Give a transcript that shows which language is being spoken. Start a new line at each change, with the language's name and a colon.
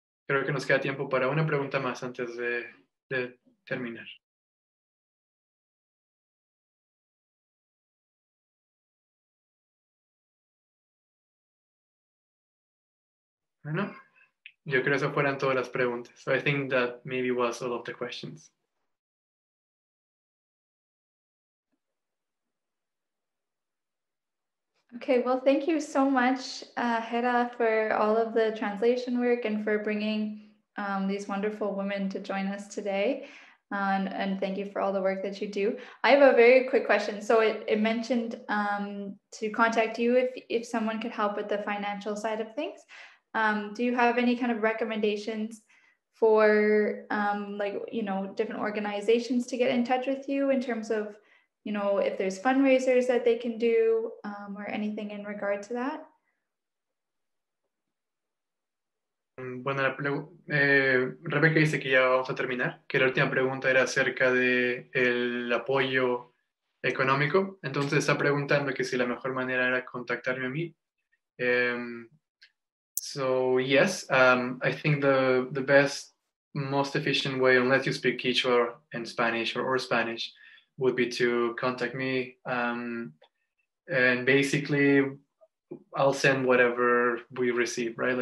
Spanish: Creo que nos queda tiempo para una pregunta más antes de terminar. Bueno, yo creo que esas fueran todas las preguntas.
English: So I think that maybe was all of the questions. Okay, well, thank you so much, Hera, for all of the translation work and for bringing these wonderful women to join us today. And thank you for all the work that you do. I have a very quick question. So it mentioned to contact you if someone could help with the financial side of things. Do you have any kind of recommendations for different organizations to get in touch with you in terms of, you know, if there's fundraisers that they can do or anything in regard to that?
Spanish: Bueno, Rebeca dice que ya vamos a terminar, que la última pregunta era acerca del apoyo económico. Entonces está preguntando que si la mejor manera era contactarme a mí.
English: So yes, I think the best, most efficient way, unless you speak Quechua in Spanish or Spanish, would be to contact me. And basically I'll send whatever we receive, right?